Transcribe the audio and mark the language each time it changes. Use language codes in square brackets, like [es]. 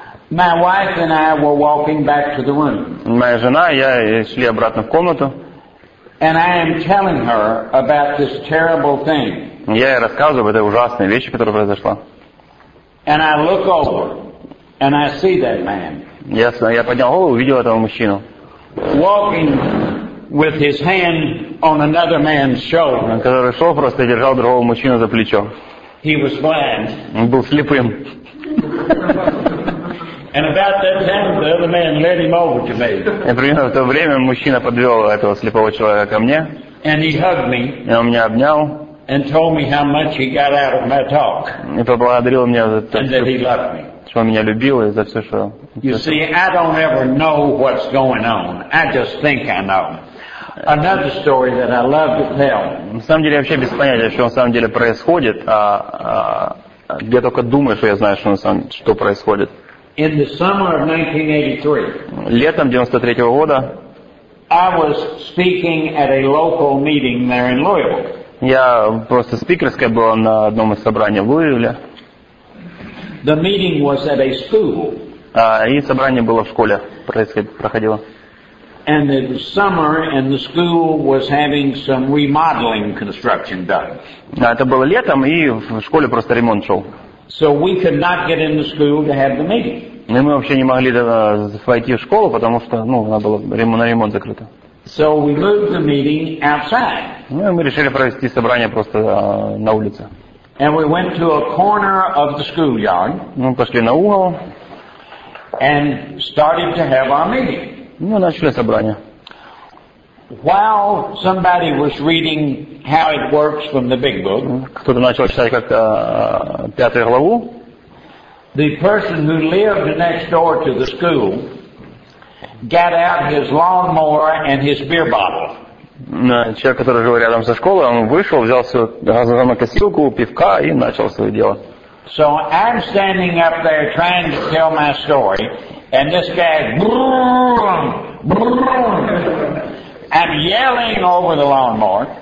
[en] my wife and I were walking back to the room. [ru] Моя жена и я шли обратно в комнату. [en] And I am telling her about this terrible thing. [ru] Я ей рассказываю об этой ужасной вещи, которая произошла. [en] And I look over. And I see that man. [ru] Ясно. Я поднял голову, увидел этого мужчину. [en] Walking with his hand on another man's shoulder. [ru] Который шел просто и держал другого мужчину за плечо. [en] He was blind. [ru] Он был слепым. [en] And about that time, the other man led him over to me. [ru] И примерно в то время мужчина подвел этого слепого человека ко мне. [en] And he hugged me. [ru] И он меня обнял. [en] And told me how much he got out of my talk. [ru] И поблагодарил меня за то, [en] and that he loved me. [ru] Что он меня любил и за все, что... [en] You see, I don't ever know what's going on. I just think I know. Another story that I love to tell. [ru] На самом деле, вообще без понятия, что на самом деле происходит, а я только думаю, что я знаю, что на самом деле, что происходит. [en] In the summer of 1983, [ru] летом 93-го года, [en] I was speaking at a local meeting there in Louisville. [ru] Я просто спикерская была на одном из собраний в Луивилле. [en] The meeting was at a school. [ru] И собрание было в школе проходило. [en] And it was summer, and the school was having some remodeling construction done. [ru] Это было летом, и в школе просто ремонт шел. [en] So we could not get in the school to have the meeting. [ru] И мы вообще не могли войти в школу, потому что, ну, она была на ремонт закрыта. [en] So we moved the meeting outside. [ru] Ну, и мы решили провести собрание просто на улице. [en] And we went to a corner of the schoolyard. [ru] Мы пошли на угол. [en] And started to have our meeting. [ru] Ну, начали собрание. [en] While somebody was reading how it works from the big book. [ru] Кто-то начал читать как-то пятую главу. [en] The person who lived next door to the school got out his lawnmower and his beer bottle. [ru] Человек, который жил рядом со школой, он вышел, взял свою газонокосилку, пивка и начал свое дело. [en] So I'm standing up there trying to tell my story, and this guy, brum, brum, I'm yelling over the lawnmower.